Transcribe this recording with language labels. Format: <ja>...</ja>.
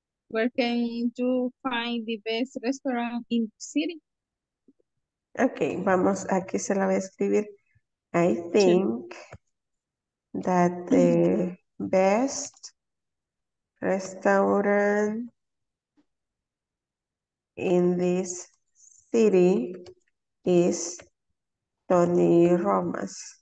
<en>Where can you find the best restaurant in the city?</en> <es>Okay, vamos, aquí se la voy a escribir.</es> <en>I think that the best restaurant in this city is Tony Roma's.</en>